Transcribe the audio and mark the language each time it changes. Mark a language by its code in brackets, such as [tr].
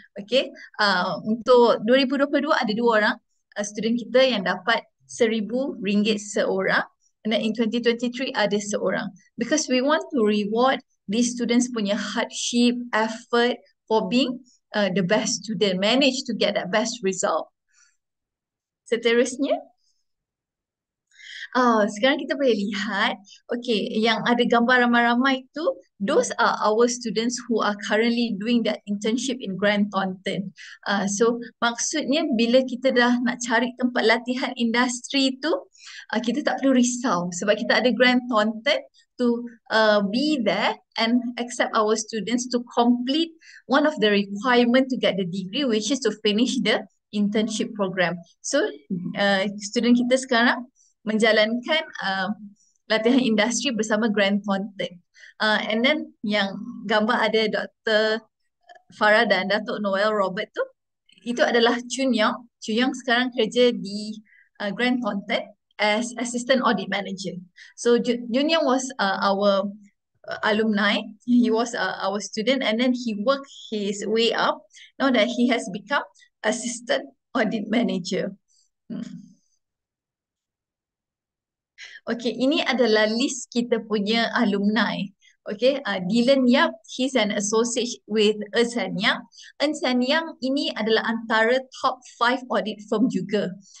[ms] Okay, untuk 2022 ada dua orang student kita yang dapat RM1,000 seorang. [en] And then in 2023, [ms] ada seorang. [en] Because we want to reward these students [ms] punya [en] hardship, effort for being the best student, manage to get that best result. [ms] Seterusnya. Oh, sekarang kita boleh lihat. [en] Okay, [ms] yang ada gambar ramai-ramai tu, [en] those are our students who are currently doing that internship in Grant Thornton. [ms] So, maksudnya bila kita dah nak cari tempat latihan industri tu, kita tak perlu risau sebab kita ada [en] Grant Thornton to be there and accept our students to complete one of the requirement to get the degree, which is to finish the internship program. [ms] So, student kita sekarang menjalankan latihan industri bersama Grant Thornton. [en] And then [ms] yang gambar ada Dr. Farah dan Datuk Noel Robert tu, itu adalah Chun Yong. Chun Yong sekarang kerja di Grant Thornton as Assistant Audit Manager. [en] So Chun Yong was our alumni. He was our student and then he worked his way up now that he has become Assistant Audit Manager. [ms] Okay, ini adalah list kita punya alumni. [en] Okay, Dylan Yap, he's an associate with Ernst & Young. [ms] Ernst & Young ini adalah antara top 5 audit firm juga.